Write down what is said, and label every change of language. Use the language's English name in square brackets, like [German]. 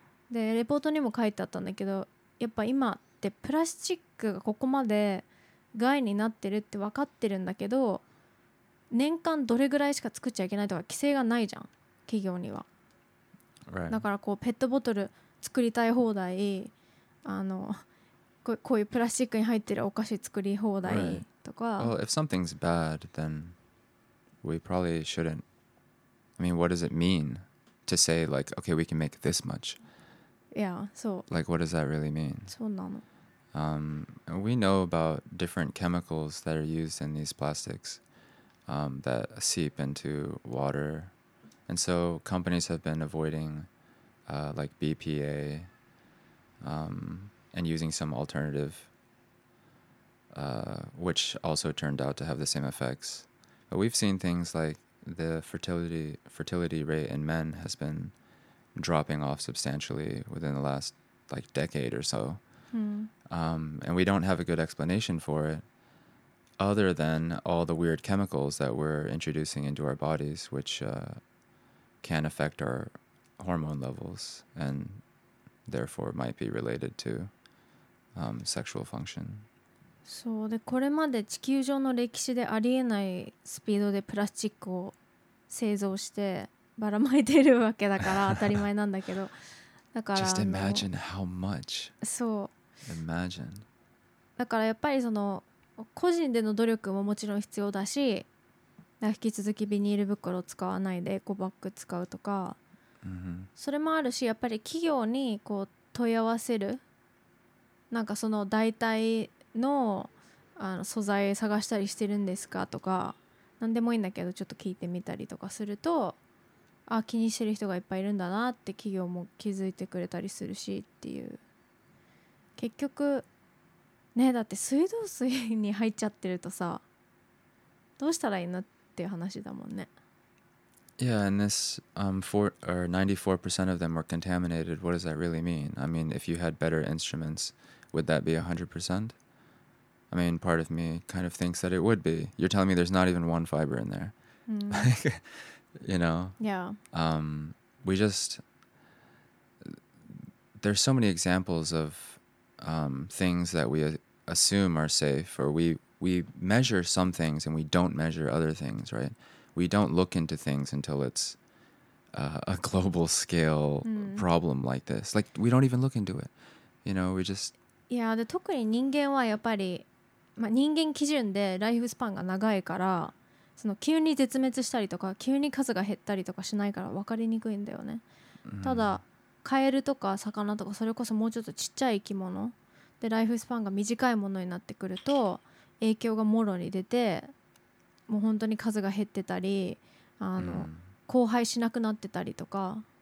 [Japanese] でレポートにも書いてあったんだけど、やっぱ今ってプラスチックがここまで害になってるって分かってるんだけど、年間どれぐらいしか作っちゃいけないとか規制がないじゃん企業には、 [English] right. [Japanese] だからこうペットボトル作りたい放題、あのこういうプラスチックに入ってるお菓子作り放題とか、 [English] right. Well, if something's bad then we probably shouldn't, I mean, what does it meanTo say like, okay, we can make this much. Yeah, so. Like, what does that really mean? [Japanese] そうなの。 [English] We know about different chemicals that are used in these plastics that seep into water. And so companies have been avoiding like BPA and using some alternative, which also turned out to have the same effects. But we've seen things like,the fertility rate in men has been dropping off substantially within the last like decade or so. And we don't have a good explanation for it other than all the weird chemicals that we're introducing into our bodies, which can affect our hormone levels and therefore might be related to sexual function. [Japanese] そうで、これまで地球上の歴史でありえないスピードでプラスチックを製造してばらまいてるわけだから当たり前なんだけど、だから [English] Just imagine how much. [Japanese] そう [English] imagine. [Japanese] だからやっぱりその個人での努力ももちろん必要だし、だ引き続きビニール袋を使わないでエコバッグ使うとか、 mm-hmm. それもあるし、やっぱり企業にこう問い合わせる、なんかその代替の、 あの素材探したりしてるんですかとか、何でもいいんだけどちょっと聞いてみたりとかすると、あ気にしてる人がいっぱいいるんだなって企業も気づいてくれたりするしっていう、結局ね、だって水道水に入っちゃってるとさ、どうしたらいいのっていう話だもんね。 [English] Yeah, and this or 94% of them were contaminated. What does that really mean? I mean, if you had better instrumentsWould that be 100%? I mean, part of me kind of thinks that it would be. You're telling me there's not even one fiber in there. You know? Yeah. We just... There's so many examples of things that we assume are safe, or we measure some things and we don't measure other things, right? We don't look into things until it's a global scale problem like this. Like, we don't even look into it. You know, we just... [Japanese] いやで特に人間はやっぱり、まあ、人間基準でライフスパンが長いから、その急に絶滅したりとか急に数が減ったりとかしないから分かりにくいんだよね、うん、ただカエルとか魚とかそれこそもうちょっとちっちゃい生き物でライフスパンが短いものになってくると影響がもろに出て、もう本当に数が減ってたり、あの、うん、交配しなくなってたりとか。